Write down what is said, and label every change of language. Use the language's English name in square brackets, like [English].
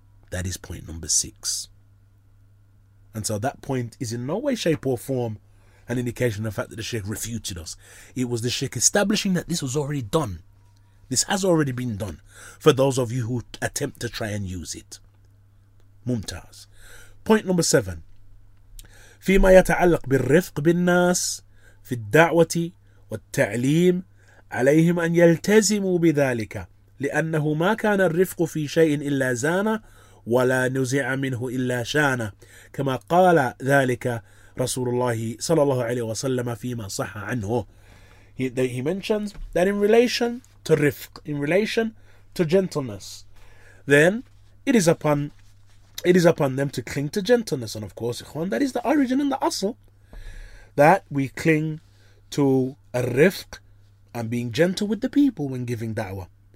[English] That is point number 6. And so that point is in no way, shape or form an indication of the fact that the Sheikh refuted us. It was the Sheikh establishing that this was already done. This has already been done for those of you who attempt to try and use it. Mumtaz. Point number 7. [Arabic] فيما يتعلق بالرفق بالناس في الدعوة والتعليم عليهم أن يلتزموا بذلك لأنه ما كان الرفق في شيء إلا زانا ولا نزع منه إلا شانا كما قال ذلك رسول الله صلى الله عليه وسلم فيما صح عنه. [English] He mentions that in relation to rifq, in relation to gentleness, then it is upon them to cling to gentleness. And of course, ikhwan, that is the origin and the asl, that we cling to a rifq and being gentle with the people when giving da'wah.